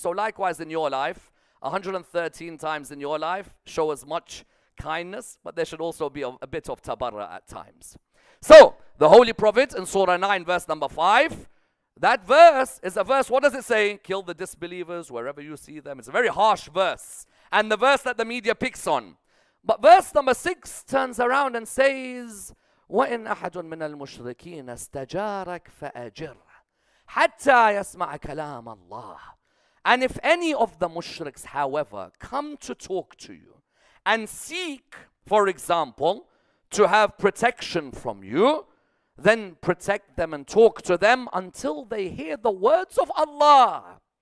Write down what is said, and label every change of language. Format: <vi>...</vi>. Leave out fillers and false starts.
<en>So likewise in your life, 113 times in your life, show as much kindness, but there should also be a bit of tabarra at times. So, the Holy Prophet in Surah 9, verse number 5, that verse is a verse, what does it say? Kill the disbelievers wherever you see them. It's a very harsh verse. And the verse that the media picks on. But verse number 6 turns around and says,</en> <ar>وَإِنْ أَحَدٌ مِنَ الْمُشْرِكِينَ اسْتَجَارَكْ فَأَجِرْ حَتَّى يَسْمَعَ كَلَامَ اللَّهِ.</ar> <en>And if any of the mushriks, however, come to talk to you and seek, for example, to have protection from you, then protect them and talk to them until they hear the words of Allah.</en>